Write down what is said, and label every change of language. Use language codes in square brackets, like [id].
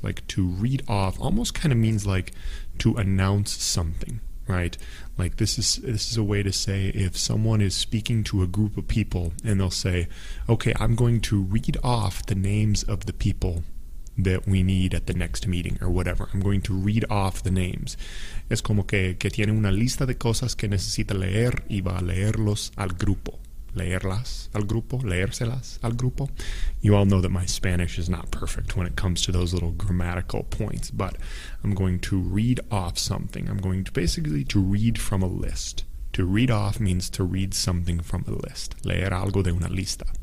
[en] Like to read off almost kind of means like to announce something, right? Like this is a way to say if someone is speaking to a group of people and they'll say, okay, I'm going to read off the names of the people that we need at the next meeting or whatever. I'm going to read off the names. [es] Es como que tiene una lista de cosas que necesita leer y va a leerlos al grupo. Leerlas al grupo, leérselas al grupo. [en] You all know that my Spanish is not perfect when it comes to those little grammatical points, but I'm going to read off something. I'm going to basically to read from a list. To read off means to read something from a list. [es] Leer algo de una lista.